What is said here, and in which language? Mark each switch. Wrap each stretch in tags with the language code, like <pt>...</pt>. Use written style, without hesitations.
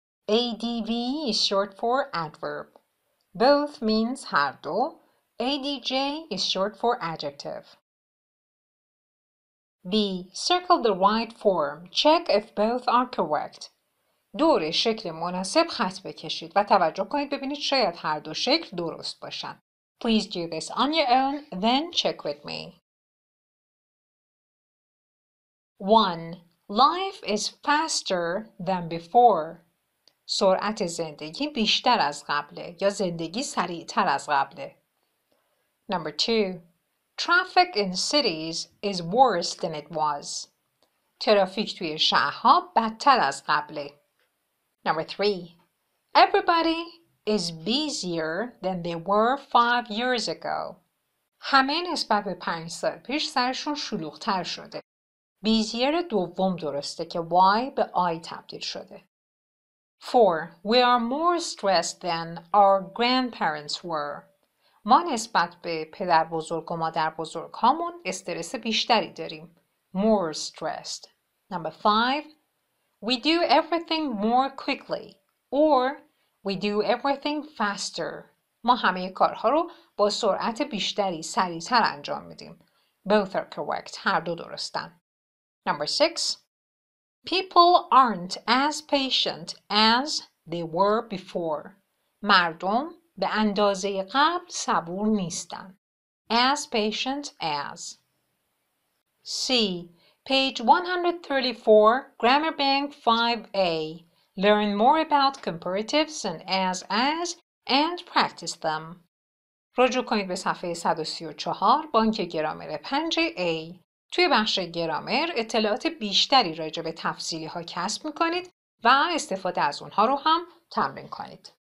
<en>ADV is short for adverb. Both means</en> <fa>هر دو.</fa> <en>ADJ is short for adjective. B. Circle the right form. Check if both are correct.</en> <fa>دور شکل مناسب خط بکشید و توجه کنید ببینید شاید هر دو شکل درست باشن.</fa> <en>Please do this on your own, then check with me. 1. Life is faster than before.</en> <fa>سرعت زندگی بیشتر از قبله یا زندگی سریعتر از قبله.</fa> <en>Number 2. Traffic in cities is worse than it was.</en> <fa>ترافیک توی شهرها بدتر از قبله.</fa> <en>Number 3. Everybody is busier than they were 5 years ago.</en> <fa>همه نسبت به 5 سال پیش سرشون شلوغ‌تر شده. بیزیر دوم درسته که why به I تبدیل شده. 4.</fa> <en>We are more stressed than our grandparents were.</en> <fa>ما نسبت به پدر بزرگ و مادر بزرگ هامون استرس بیشتری داریم.</fa> <en>More stressed. Number 5. We do everything more quickly. Or we do everything faster.</en> <fa>ما همه کارها رو با سرعت بیشتری سریعتر انجام میدیم.</fa> <en>Both are correct.</en> <fa>هر دو درستن.</fa> <en>Number 6. People aren't as patient as they were before.</en> <fa>مردم به اندازه قبل صبور نیستن.</fa> <en>As patient as. C. Page 134, Grammar Bank 5A. Learn more about comparatives and as, and practice them.</en> <fa>رجوع کنید به صفحه 134 بانک گرامر 5A. توی بخش گرامر اطلاعات بیشتری راجع به تفصیلی ها کسب می کنید و استفاده از اونها رو هم تمرین کنید.</fa>